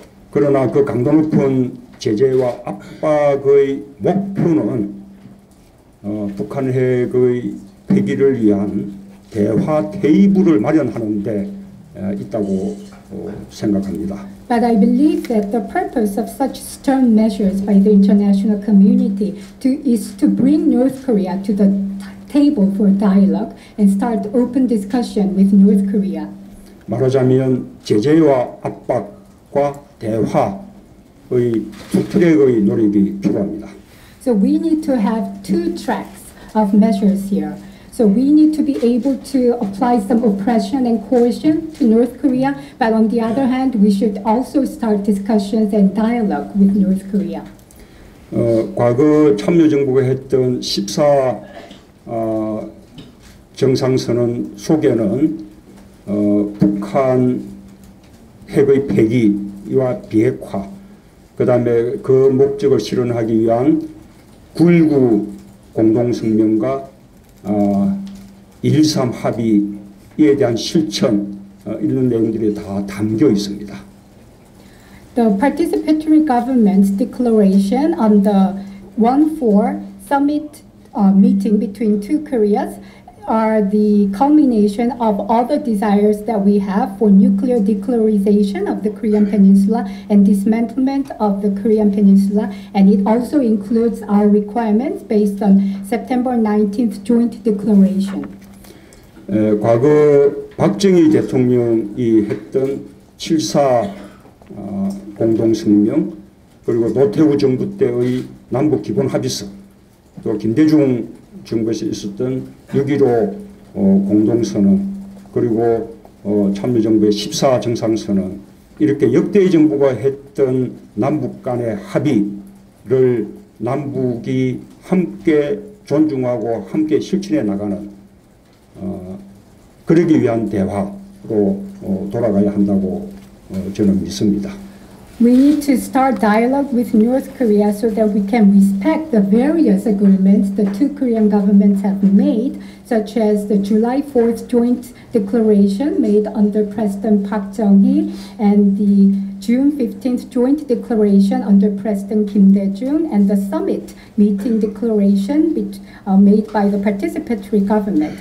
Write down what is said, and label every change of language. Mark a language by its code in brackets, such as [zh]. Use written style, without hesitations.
[ko] 그러나 그 강도 높은 제재와 압박의 목표는 북한 핵의 폐기를 위한 대화 테이블을 마련하는 데 있다고 생각합니다. [en] But I believe that the purpose of such stern measures by the international community is to bring North Korea to the table for dialogue and start open discussion with North Korea. [ko] 말하자면 제재와 압박과 대화의 두 트랙의 노력이 필요합니다. [en] So we need to have two tracks of measures here. So we need to be able to apply some oppression and coercion to North Korea, but on the other hand, we should also start discussions and dialogue with North Korea. [ko] 과거 참여정부가 했던 14 정상선언 속에는 북한 핵의 폐기와 비핵화, 그 다음에 그 목적을 실현하기 위한 9.19 공동성명과 1.3 합의에 대한 실천 이런 내용들이 다 담겨 있습니다. [en] The participatory government's declaration on the 1.4 summit meeting between two Koreas are the culmination of all the desires that we have for nuclear declarization of the Korean Peninsula and dismantlement of the Korean Peninsula, and it also includes our requirements based on September 19th joint declaration. [ko] 과거 박정희 대통령이 했던 7.4 공동성명, 그리고 노태우 정부 때의 남북 기본 합의서, 또 김대중 정부에서 있었던 6.15 공동선언, 그리고 참여정부의 14 정상선언, 이렇게 역대 정부가 했던 남북 간의 합의를 남북이 함께 존중하고 함께 실천해 나가는 그러기 위한 대화로 돌아가야 한다고 저는 믿습니다. [en] We need to start dialogue with North Korea so that we can respect the various agreements the two Korean governments have made, such as the July 4th joint declaration made under President Park Chung-hee and the June 15th joint declaration under President Kim Dae-jung and the summit meeting declaration made by the participatory government.